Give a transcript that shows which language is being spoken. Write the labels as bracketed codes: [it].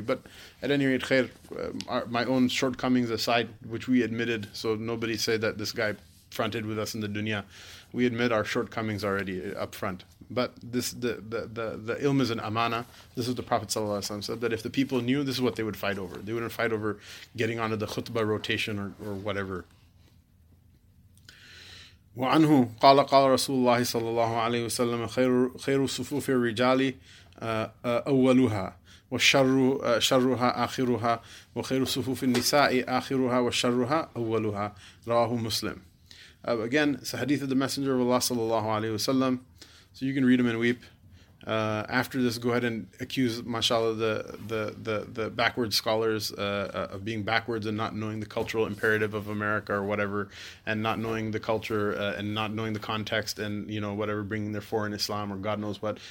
[en] But at any rate, khair, my own shortcomings aside, which we admitted, so nobody say that this guy fronted with us in the dunya. We admit our shortcomings already up front. But this, the ilm is an amana. This is the Prophet Sallallahu Alaihi Wasallam said that if the people knew, this is what they would fight over. They wouldn't fight over getting onto the khutbah rotation or whatever. [ar] وعنه قال قال رسول الله صلى الله عليه وسلم خير صفوف الرجال أولها وشر شرها آخرها وخير صفوف النساء آخرها وشرها أولها رواه مسلم. [en] Again, it's a hadith of the Messenger of Allah صلى الله عليه وسلم. So you can read them and weep. After this, go ahead and accuse, mashallah, the backward scholars of being backwards and not knowing the cultural imperative of America or whatever, and not knowing the culture and not knowing the context and, you know, whatever, bringing their foreign Islam or God knows what.